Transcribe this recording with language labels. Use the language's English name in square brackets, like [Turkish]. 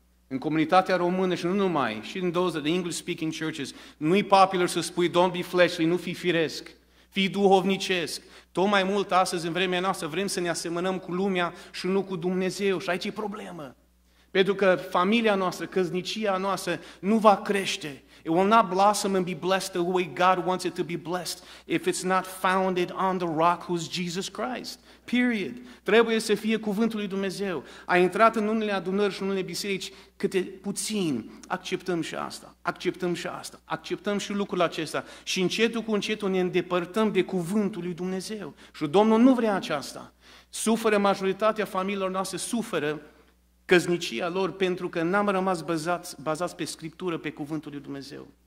[Romanian] În comunitatea română și nu numai, și în [English] those of the English speaking churches, [Romanian] nu e popular să spui [English] don't be fleshly, [Romanian] nu fi firesc, fii duhovnicesc. Tot mai mult astăzi în vremea noastră vrem să ne asemănăm cu lumea și nu cu Dumnezeu și aici e problemă. Pentru că familia noastră, căsnicia noastră nu va crește. [English] It will not blossom and be blessed the way God wants it to be blessed if it's not founded on the rock who's Jesus Christ. Period. [Romanian] Trebuie să fie cuvântul lui Dumnezeu. A intrat în unele adunări și în unele biserici câte puțin. Acceptăm și asta, acceptăm și asta, acceptăm și lucrul acesta. Și încetul cu încetul ne îndepărtăm de cuvântul lui Dumnezeu. Și Domnul nu vrea aceasta. Suferă majoritatea familiilor noastre, suferă căsnicia lor, pentru că n-am rămas bazați pe Scriptură, pe Cuvântul lui Dumnezeu.